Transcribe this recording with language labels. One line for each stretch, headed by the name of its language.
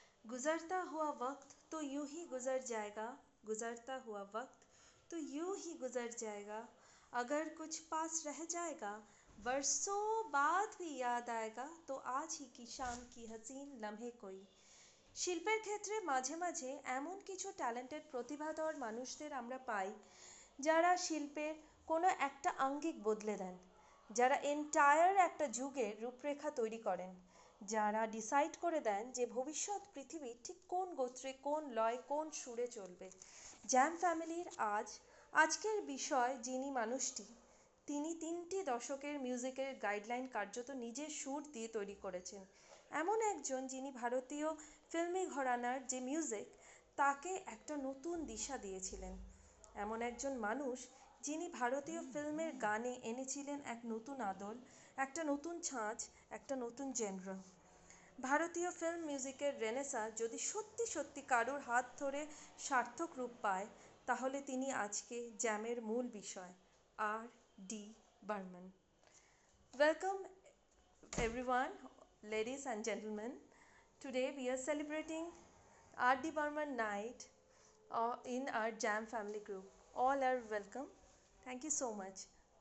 Hindi: गुजरता हुआ वक्त तो यूं ही गुजर जाएगा, गुजरता हुआ वक्त तो यूं ही गुजर जाएगा, अगर कुछ पास रह जाएगा वर्षों बाद भी याद आएगा, तो आज ही की शाम की हसीन लम्हे कोई।
Bangla: শিল্পের ক্ষেত্রে মাঝে মাঝে এমন কিছু ট্যালেন্টেড প্রতিভাধর মানুষদের আমরা পাই যারা শিল্পের কোনো একটা আঙ্গিক বদলে দেন, যারা এন্টায়ার একটা যুগের রূপরেখা তৈরি করেন, যারা ডিসাইড করে দেন যে ভবিষ্যৎ পৃথিবী ঠিক কোন গোত্রে কোন লয় কোন সুরে চলবে। জ্যাম ফ্যামিলির আজকের বিষয় যিনি মানুষটি, তিনি তিনটি দশকের মিউজিকের গাইডলাইন কার্যত নিজের সুর দিয়ে তৈরি করেছেন, এমন একজন যিনি ভারতীয় ফিল্মি ঘরানার যে মিউজিক তাকে একটা নতুন দিশা দিয়েছিলেন, এমন একজন মানুষ যিনি ভারতীয় ফিল্মের গানে এনেছিলেন এক নতুন আদল, একটা নতুন ছাঁচ, একটা নতুন জেনর। ভারতীয় ফিল্ম মিউজিকের রেনেসাঁ যদি সত্যি সত্যি কারোর হাত ধরে সার্থক রূপ পায় তাহলে তিনি আজকে জ্যামের মূল বিষয়, আর D Barman.
English: Welcome everyone, ladies and gentlemen, today we are celebrating R.D. Barman night in our Jam family group. All are welcome. Thank you so much.